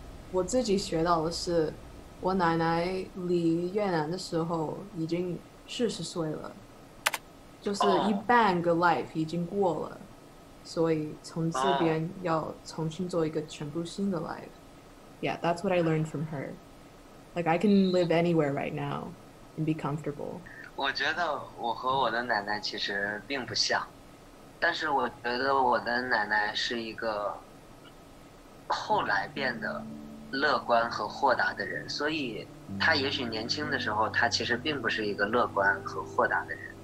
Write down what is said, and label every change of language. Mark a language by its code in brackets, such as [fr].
[zh] 我自己学到的是，我奶奶离越南的时候已经40岁了，就是一半个 life 已经过了，所以从这边要重新做一个全部新的 life。 [en] Yeah, that's what I learned from her. Like, I can live anywhere right now and be comfortable. [zh] 我觉得我和我的奶奶其实并不像。但是我觉得我的奶奶是一个后来变得乐观和豁达的人，所以她也许年轻的时候她其实并不是一个乐观和豁达的人。